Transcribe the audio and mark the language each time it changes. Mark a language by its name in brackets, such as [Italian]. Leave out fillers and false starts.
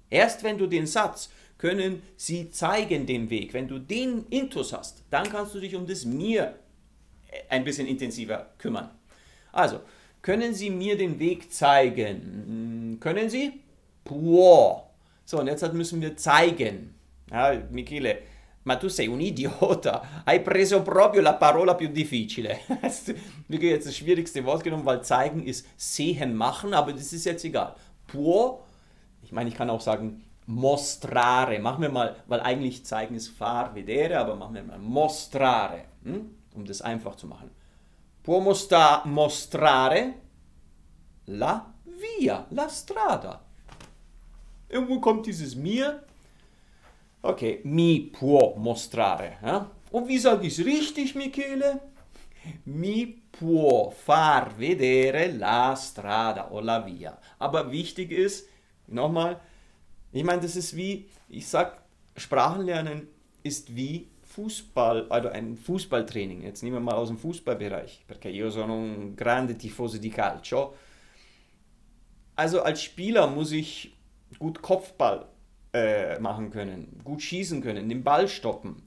[German] Erst wenn du den Satz, können sie zeigen den Weg, wenn du den Intus hast, dann kannst du dich um das mir ein bisschen intensiver kümmern. Also, können sie mir den Weg zeigen? Können sie? Puh. So, und jetzt müssen wir zeigen. [Italian] Ja, Michele, ma tu sei un idiota. Hai preso proprio la parola più difficile. [German] Wir haben jetzt das schwierigste Wort genommen, weil zeigen ist sehen, machen, aber das ist jetzt egal. Puh. Ich meine, ich kann auch sagen, mostrare. Machen wir mal, weil eigentlich zeigen ist [Italian] far vedere, [German] aber machen wir mal mostrare, um das einfach zu machen. [Italian] Può mostrare la via, la strada. [German] Irgendwo kommt dieses mir. Okay, [Italian] mi può mostrare. [German] Ja? Und wie sage ich es richtig, Michele? [Italian] Mi può far vedere la strada o la via. [German] Aber wichtig ist, nochmal, ich meine, das ist wie, ich sag, Sprachenlernen ist wie Fußball, also ein Fußballtraining. Jetzt nehmen wir mal aus dem Fußballbereich, [Italian] perché io sono un grande tifoso di calcio. [German] Also als Spieler muss ich gut Kopfball machen können, gut schießen können, den Ball stoppen.